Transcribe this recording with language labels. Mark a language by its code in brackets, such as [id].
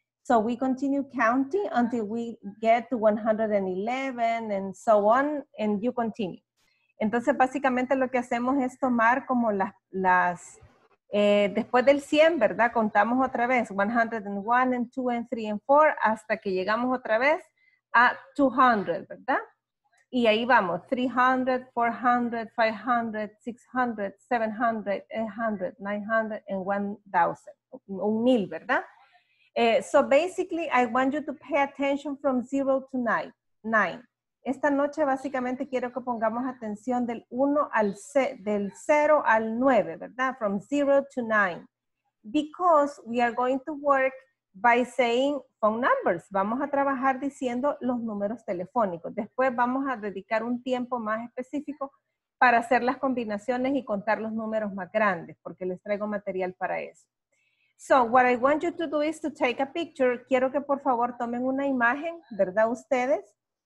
[en] So we continue counting until we get to 111 and so on, and you continue. [es] Entonces, básicamente lo que hacemos es tomar como después del 100, ¿verdad? Contamos otra vez, [en] 101 and 2 and 3 and 4, [es] hasta que llegamos otra vez a 200, ¿verdad? Y ahí vamos, 300, 400, 500, 600, 700, 800, 900 and 1,000, 1,000, ¿verdad? [en] So basically, I want you to pay attention from 0 to 9. [es] Esta noche básicamente quiero que pongamos atención del 1 al 0 al 9, ¿verdad? [en] From 0 to 9. Because we are going to work by saying phone numbers. [es] Vamos a trabajar diciendo los números telefónicos. Después vamos a dedicar un tiempo más específico para hacer las combinaciones y contar los números más grandes, porque les traigo material para eso. [en] So what I want you to do is to take a picture. [es] Quiero que por favor tomen una imagen, ¿verdad ustedes?